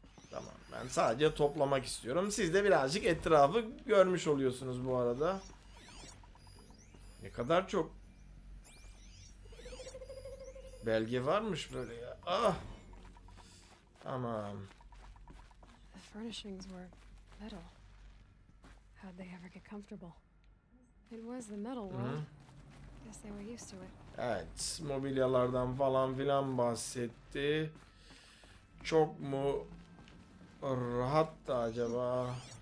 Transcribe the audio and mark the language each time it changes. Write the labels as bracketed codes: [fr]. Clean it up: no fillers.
[tr] Tamam, ben sadece toplamak istiyorum. Siz de birazcık etrafı görmüş oluyorsunuz bu arada. Ne kadar çok belge varmış böyle ya. Ah. Tamam. [en] The furnishings were metal. How'd they ever get comfortable? It was the metal world. Guess they were used to it. [tr] Evet, mobilyalardan falan filan bahsetti. Çok mu rahat da acaba?